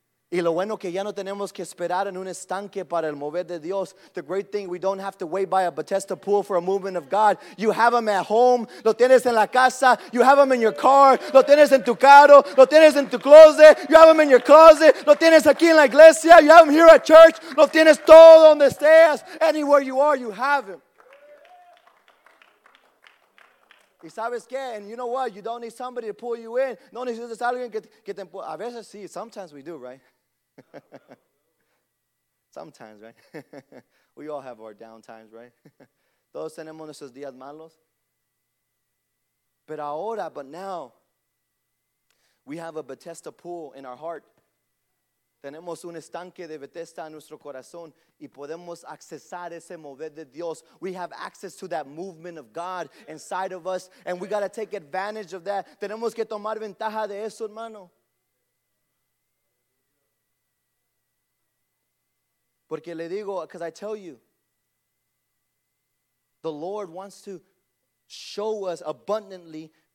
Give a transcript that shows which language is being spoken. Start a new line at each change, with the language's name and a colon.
Spanish: Y lo bueno que ya no tenemos que esperar en un estanque para el mover de Dios.
English: The great thing, we don't have to wait by a Betesda pool for a movement of God. You have Him at home.
Spanish: Lo tienes en la casa.
English: You have Him in your car.
Spanish: Lo tienes en tu carro. Lo tienes en tu closet.
English: You have Him in your closet.
Spanish: Lo tienes aquí en la iglesia.
English: You have Him here at church.
Spanish: Lo tienes todo donde estés.
English: Anywhere you are, you have Him.
Spanish: Y sabes qué?
English: And you know what? You don't need somebody to pull you in.
Spanish: No necesitas alguien que te empuje. A veces sí,
English: sometimes we do, right? Sometimes, right? We all have our down times, right?
Spanish: Todos tenemos nuestros días malos. Pero ahora,
English: but now, we have a Betesda pool in our heart.
Spanish: Tenemos un estanque de Betesda en nuestro corazón y podemos accesar ese mover de Dios.
English: We have access to that movement of God inside of us, and we got to take advantage of that.
Spanish: Tenemos que tomar ventaja de eso, hermano. Porque le digo,
English: because I tell you, the Lord wants to show us abundantly.